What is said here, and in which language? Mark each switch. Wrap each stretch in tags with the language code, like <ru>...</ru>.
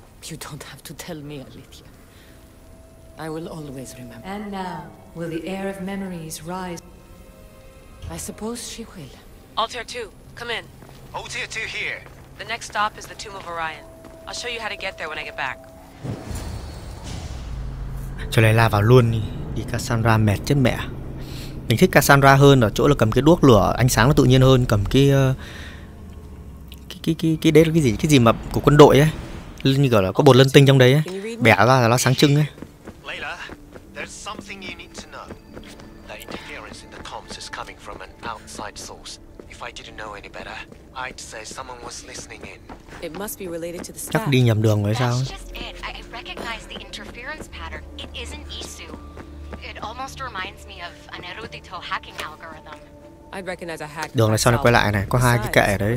<en>You don't have to tell me, Alethea. I will always remember. And now, will the air of memories rise? I suppose she will. Altair 2, come in. Altair 2 here. The next stop is the Tomb of Orion. I'll show you how to get there when I get back.</en> <vi>Cho Layla vào luôn đi, đi Cassandra mệt chết mẹ. Mình thích Cassandra hơn ở chỗ là cầm cái đuốc lửa, ánh sáng nó tự nhiên hơn, cầm cái đấy là cái gì mà của quân đội ấy. Như kiểu là có bột lân tinh trong đấy ấy. Bẻ ra là nó sáng trưng ấy.</vi> <en>Layla, there's something you need to know. The interference in the comms is coming from an outside source. If I didn't know any better, I'd say someone was listening in. It must be related to the staff.</en> <vi>Chắc đi nhầm đường rồi sao?</vi> <en>Recognize the interference pattern. It isn't Isu. It almost reminds me of an erudito hacking algorithm. I'd recognize a hack.</en> <vi>Đường này sau này quay lại này, có hai cái kệ ở đấy.</vi>